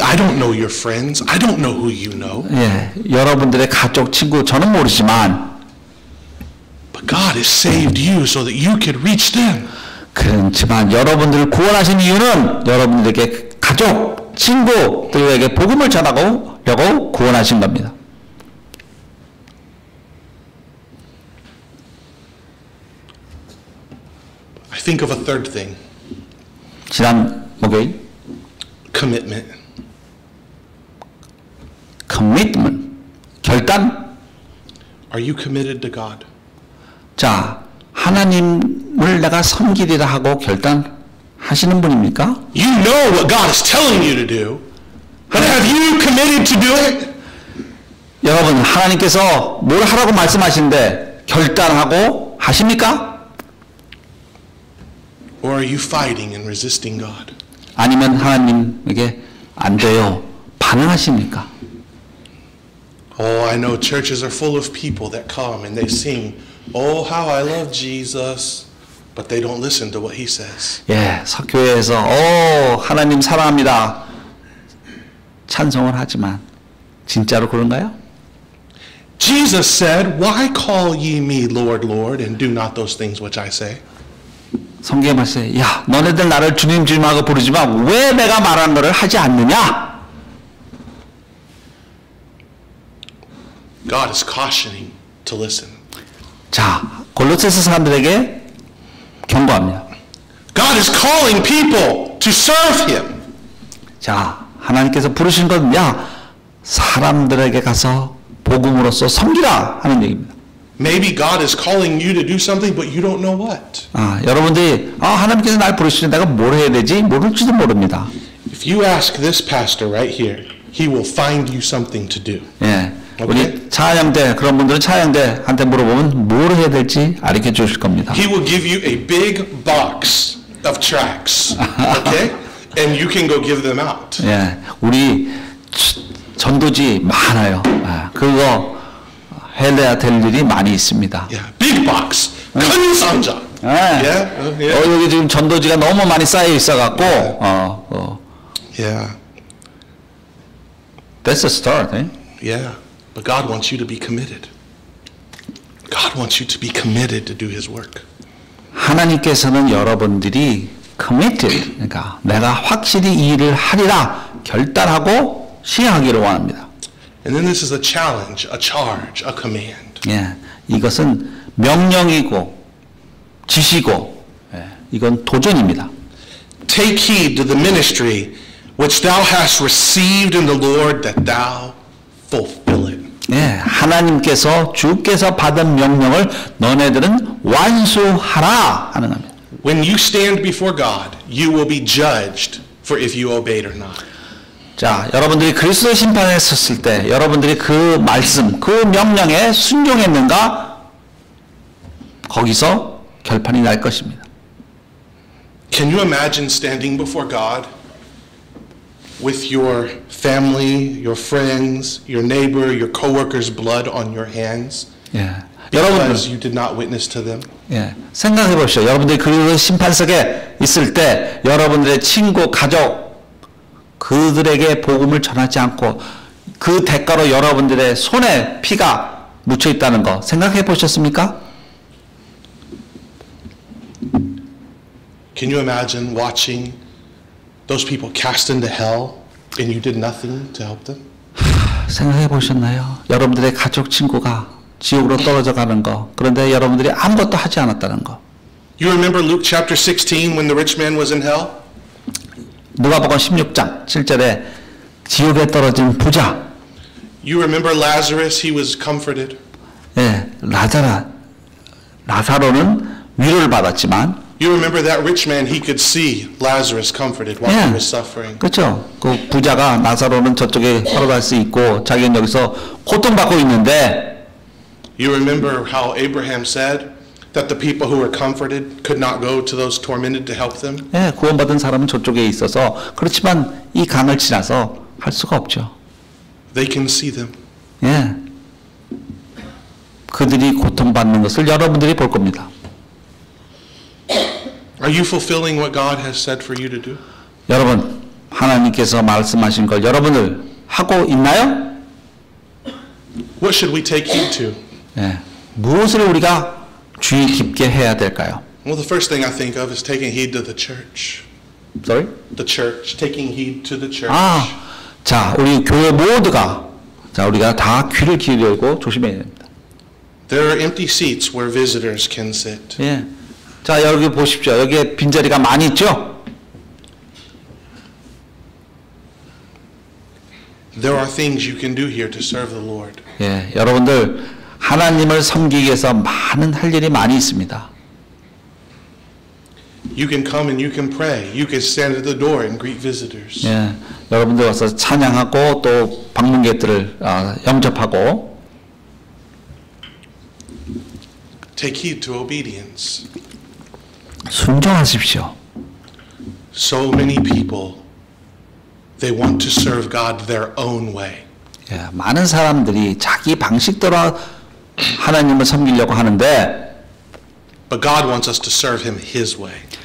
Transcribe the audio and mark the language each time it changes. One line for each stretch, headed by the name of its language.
English: I don't know your friends. I don't know who you know. 예.
Korean: 여러분들의 가족 친구 저는 모르지만
English: But God has saved you so that you could reach them.
Korean: 그렇지만 여러분들을 구원하신 이유는 여러분들에게 가족, 친구들에게 복음을 전하려고 구원하신 겁니다.
English: I think of a third thing.
Korean: 지난 목요일
English: commitment. commitment. 결단. Are you committed to God?
Korean: 자, 하나님을 내가 섬기리라 하고 결단하시는 분입니까?
English: You know what God is telling you to do. But have you committed to do it?
Korean: 여러분, 하나님께서 뭘 하라고 말씀하시는데 결단하고 하십니까?
English: Or are you fighting and resisting God?
Korean: 아니면 하나님에게 안 돼요. 반응하십니까?
English: Oh, I know churches are full of people that come and they sing Oh, how I love Jesus, but they don't listen to what he says.
Korean: 예, 석교회에서 오, 하나님 사랑합니다. 찬송을 하지만 진짜로 그런가요?
English: Jesus said, "Why call ye me Lord, Lord, and do not those things which I say?"
Korean: 성경 말씀에, 야, 너네들 나를 주님 주님하고 부르지만 왜 내가 말한 거를 하지 않느냐?
English: God is cautioning to listen.
Korean: 자, 골로새서 사람들에게 경고합니다.
English: God is calling people to serve him.
Korean: 자, 하나님께서 부르신 건 야, 사람들에게 가서 복음으로써 섬기라 하는 얘기입니다.
English: Maybe God is calling you to do something but you don't know what.
Korean: 아, 여러분들이 아, 하나님께서 날 부르시는데 내가 뭘 해야 되지? 모를지도 모릅니다.
English: If you ask this pastor right here, he will find you something to do. 예. Okay.
Korean: 우리 차양대 그런 분들은 차양대한테 물어보면 뭘 해야 될지 가르쳐 주실 겁니다.
English: He will give you a big box of tracks, okay? And you can go give them out.
Korean: 예, 우리 전도지 많아요. 그거 해내야 될 일이 많이 있습니다.
English: Yeah, big box,
Korean: 큰 상자. 예, 예. 여기 지금 전도지가 너무 많이 쌓여 있어 갖고, Yeah.
English: That's a start, eh? Yeah. But God wants you to be committed. God wants you to be committed to do His work.
Korean: 하나님께서는 여러분들이 committed, 그러니까 내가 확실히 이 일을 하리라 결단하고 시행하기로 원합니다.
English: And then this is a challenge, a charge, a command.
Korean: 예, 이것은 명령이고 지시고 예, 이건 도전입니다.
English: Take heed to the ministry which thou hast received in the Lord that thou fulfill it.
Korean: 예, 하나님께서 주께서 받은 명령을 너네들은 완수하라 하는 겁니다.
English: When you stand before God, you will be judged for if you obeyed or not.
Korean: 자, 여러분들이 그리스도의 심판에 섰을 때 여러분들이 그 말씀, 그 명령에 순종했는가 거기서 결판이 날 것입니다.
English: Can you imagine standing before God with your family, your friends, your neighbor, your coworkers' blood on your hands? 예. Because you did not witness to them.
Korean: 예. 생각해 보십시오. 여러분들이 그리스도의 심판석에 있을 때 여러분들의 친구, 가족 그들에게 복음을 전하지 않고 그 대가로 여러분들의 손에 피가 묻혀 있다는 거 생각해 보셨습니까?
English: Can you imagine watching those people cast into hell and you did nothing to help them?
Korean: 생각해 보셨나요? 여러분들의 가족 친구가 지옥으로 떨어져 가는 거. 그런데 여러분들이 아무것도 하지 않았다는 거.
English: You remember Luke chapter 16 when the rich man was in hell?
Korean: 누가복음 16장 7절에 지옥에 떨어진 부자.
English: You remember Lazarus? He was comforted.
Korean: 예, 라사로는 위로를 받았지만.
English: You remember that rich man? He could see Lazarus comforted while 예, he was suffering.
Korean: 그렇죠. 그 부자가 라사로는 저쪽에 걸어갈 수 있고 자기는 여기서 고통받고 있는데.
English: You remember how Abraham said that the people who were comforted could not go to those tormented to help them?
Korean: 예, 구원받은 사람은 저쪽에 있어서 그렇지만 이 강을 지나서 할 수가 없죠.
English: They can see them. 예.
Korean: 그들이 고통받는 것을 여러분들이 볼 겁니다.
English: Are you fulfilling what God has said for you to do?
Korean: 여러분, 하나님께서 말씀하신 걸 여러분들 하고 있나요?
English: What should we take heed to? 예.
Korean: 무엇을 우리가 주의 깊게 해야 될까요?
English: Well, the first thing I think of is taking heed to the church. Sorry? The church, taking heed to the church.
Korean: 아, 자, 우리 교회 모두가 자, 우리가 다 귀를 기울이고 조심해야 됩니다.
English: There are empty seats where visitors can sit.
Korean: 예. 자, 여기 보십시오. 여기에 빈 자리가 많이 있죠?
English: There are things you can do here to serve the Lord.
Korean: 예, 여러분들 하나님을 섬기기 위해서 많은 할 일이 많이 있습니다.
English: You can come and you can pray. You can stand at the door and greet visitors.
Korean: 예, 여러분들 와서 찬양하고 또 방문객들을 영접하고.
English: Take heed to obedience.
Korean: 순종하십시오.
English: So many people, they want to serve God their own way.
Korean: 예, 많은 사람들이 자기 방식대로 하나님을 섬기려고 하는데
English: But God wants us to serve him his way.